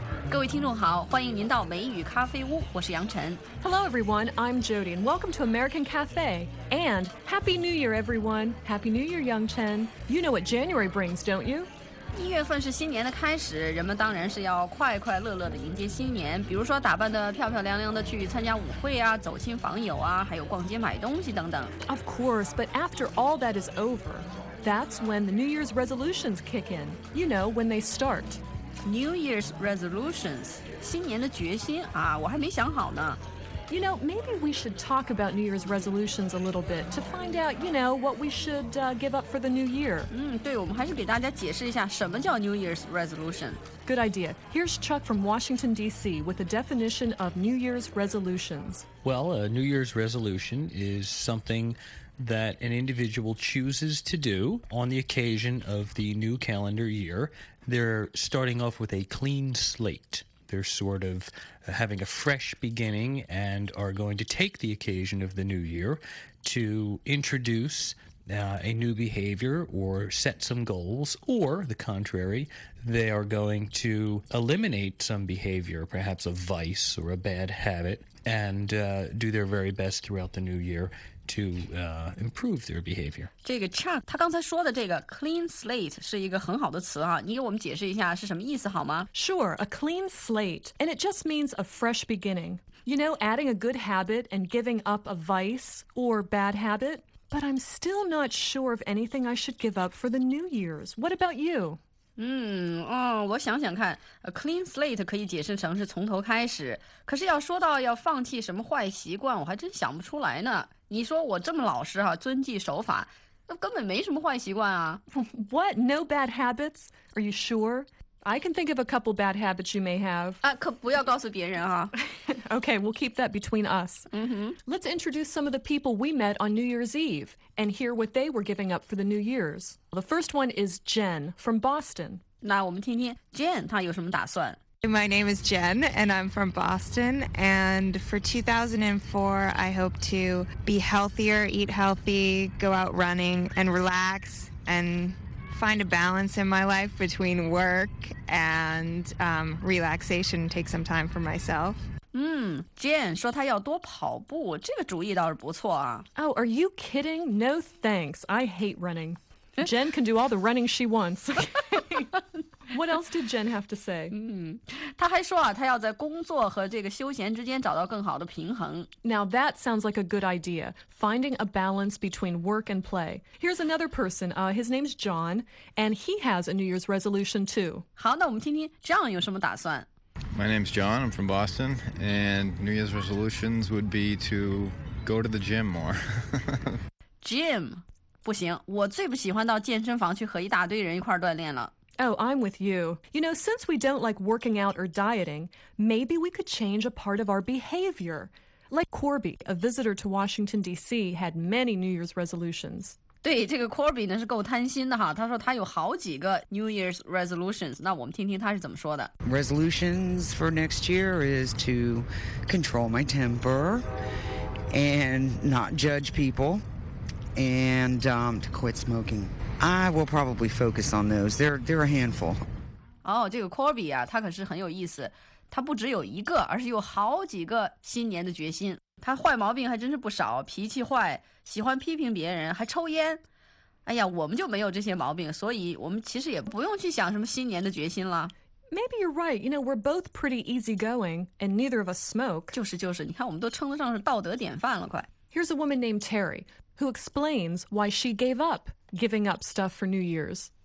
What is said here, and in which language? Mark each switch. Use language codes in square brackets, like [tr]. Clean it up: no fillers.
[zh] 各位听众好，欢迎您到美语咖啡屋，我是杨晨。 [en] Hello everyone, I'm Jody, and welcome to American Cafe. And Happy New Year, everyone. Happy New Year, Yang Chen. You know what January brings, don't you? [zh] 一月份是新年的开始，人们当然是要快快乐乐地迎接新年，比如说打扮得漂漂亮亮地去参加舞会啊，走亲访友啊，还有逛街买东西等等。 [en] Of course, but after all that is over, that's when the New Year's resolutions kick in. You know, when they start. [zh] New Year's resolutions, 新年的决心啊，我还没想好呢。 [en] You know, maybe we should talk about New Year's resolutions a little bit to find out, you know, what we should, give up for the new year. [zh] 对，我们还是给大家解释一下什么叫 New Year's resolution. [en] Good idea. Here's Chuck from Washington, D.C. with a definition of New Year's resolutions. Well, a New Year's resolution is something that an individual chooses to do on the occasion of the new calendar year. They're starting off with a clean slate. They're sort of having a fresh beginning and are going to take the occasion of the new year to introduce, a new behavior or set some goals, or the contrary, they are going to eliminate some behavior, perhaps a vice or a bad habit, and, do their very best throughout the new year to, improve their behavior. [zh] 这个 Chuck, 他刚才说的这个 clean slate 是一个很好的词啊，你给我们解释一下是什么意思好吗？ [en] Sure, a clean slate, and it just means a fresh beginning. You know, adding a good habit and giving up a vice or bad habit, but I'm still not sure of anything I should give up for the New Year's. What about you? [zh] 我想想看 ，a clean slate 可以解释成是从头开始。可是要说到要放弃什么坏习惯，我还真想不出来呢。你说我这么老实哈、啊，遵纪守法，那根本没什么坏习惯啊。 [en] What? No bad habits? Are you sure? I can think of a couple bad habits you may have. [zh] 啊，可不要告诉别人啊。 [en] Okay, we'll keep that between us. Mm-hmm. Let's introduce some of the people we met on New Year's Eve and hear what they were giving up for the New Year's. The first one is Jen from Boston. [zh] 那我们听听 Jen 她有什么打算。 [en] My name is Jen, and I'm from Boston. And for 2004, I hope to be healthier, eat healthy, go out running, and relax, and find a balance in my life between work and, relaxation, take some time for myself. [zh] Jen 说她要多跑步，这个主意倒是不错啊。 [en] Oh, are you kidding? No thanks. I hate running. Jen can do all the running she wants. What else did Jen have to say? [zh] 她还说啊，她要在工作和这个休闲之间找到更好的平衡。 [en] Now that sounds like a good idea, finding a balance between work and play. Here's another person. His name's John, and he has a New Year's resolution too. [zh] 好，那我们听听 John 有什么打算。 [en] My name's John, I'm from Boston, and New Year's resolutions would be to go to the gym more. Gym? [zh] 不行，我最不喜欢到健身房去和一大堆人一块锻炼了。 [en] Oh, I'm with you. You know, since we don't like working out or dieting, maybe we could change a part of our behavior. Like Corby, a visitor to Washington, D.C., had many New Year's resolutions. [zh] 对，这个 Corby 呢是够贪心的哈，他说他有好几个 New Year's resolutions， 那我们听听他是怎么说的。 [en] Resolutions for next year is to control my temper and not judge people and, to quit smoking. I will probably focus on those. They're a handful. [zh] 哦，这个 Corby 啊，他可是很有意思，他不只有一个，而是有好几个新年的决心。他坏毛病还真是不少，脾气坏，喜欢批评别人，还抽烟。哎呀，我们就没有这些毛病，所以我们其实也不用去想什么新年的决心了。 [en] Maybe you're right. You know, we're both pretty easygoing, and neither of us smoke. [zh] 就是就是，你看我们都称得上是道德典范了，快。 [en] Here's a woman named Terry, who explains why she gave up giving up stuff for New Year's.